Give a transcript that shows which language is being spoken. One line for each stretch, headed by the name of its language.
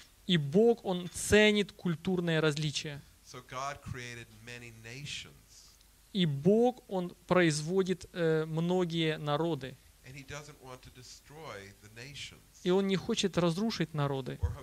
Russian: И Бог, Он ценит культурные различия.
English: So God created many nations.
Russian: И Бог, Он производит многие народы.
English: And He doesn't want to destroy the nations.
Russian: И Он не хочет разрушить народы